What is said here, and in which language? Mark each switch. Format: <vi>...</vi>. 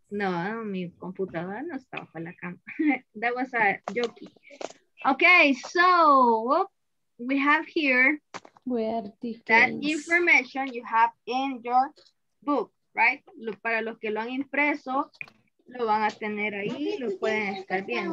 <es>No, mi computadora no está bajo la cama.</es> <en>That was a joke. Okay, so we have here that information you have in your book, right?</en> <es>Para los que lo han impreso, lo van a tener ahí, lo pueden estar bien.</es>